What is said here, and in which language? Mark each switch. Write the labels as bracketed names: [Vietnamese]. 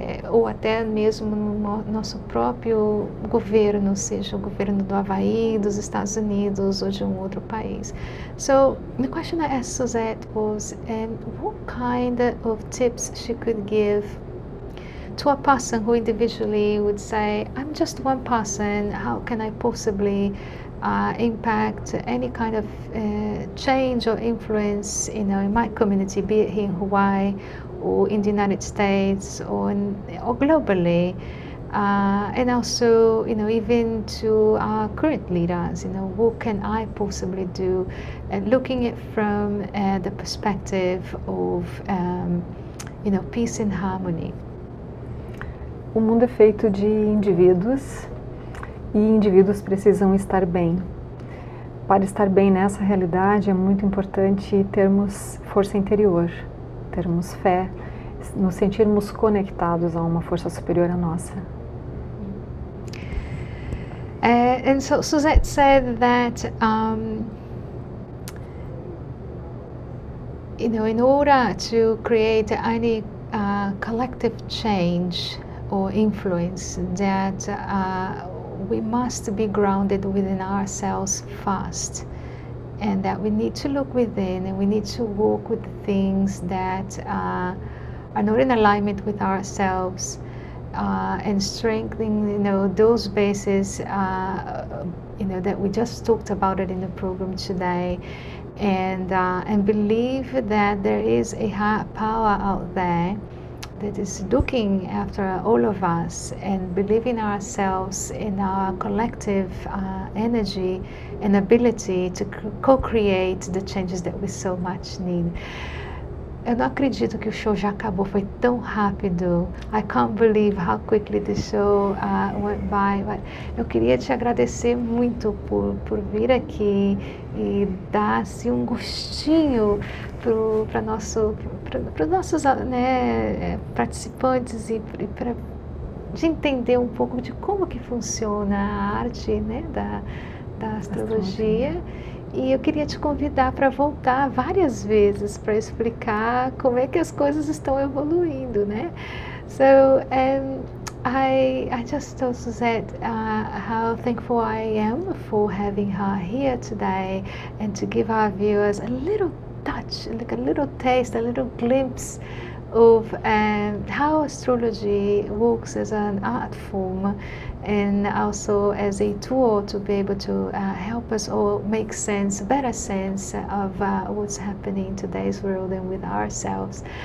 [Portuguese] Ou até mesmo no nosso próprio governo, seja o governo do Havaí, dos Estados Unidos, ou de um outro país. [English] So, the question I asked Suzete was, what kind of tips she could give to a person who individually would say, I'm just one person, how can I possibly impact any kind of change or influence, you know, in my community, be it here in Hawaii, or in the United States, or globally, and also, you know, even to our current leaders, you know, what can I possibly do? And looking at from the perspective of, you know, peace and harmony. [Portuguese] O mundo é feito de indivíduos, e indivíduos precisam estar bem. Para estar bem nessa realidade, é muito importante termos força interior, termos fé, nos sentirmos conectados a uma força superior à nossa. [English] And so Suzete said that, you know, in order to create any collective change or influence, that we must be grounded within ourselves first. And that we need to look within, and we need to work with the things that are not in alignment with ourselves, and strengthening, you know, those bases, you know, that we just talked about it in the program today, and believe that there is a higher power out there that is looking after all of us, and believe in ourselves, in our collective energy and ability to co-create the changes that we so much need. [Portuguese] Eu não acredito que o show já acabou, foi tão rápido. [English] I can't believe how quickly the show went by. [Portuguese] But eu queria te agradecer muito por vir aqui e dar assim, um gostinho para nossos, né, participantes e para de entender um pouco de como que funciona a arte, né, da astrologia. E eu queria te convidar para voltar várias vezes para explicar como é que as coisas estão evoluindo, né? [English] So, I just told Suzete how thankful I am for having her here today and to give our viewers a little touch, like a little taste, a little glimpse of how astrology works as an art form, and also as a tool to be able to help us all make sense, better sense of what's happening in today's world and with ourselves.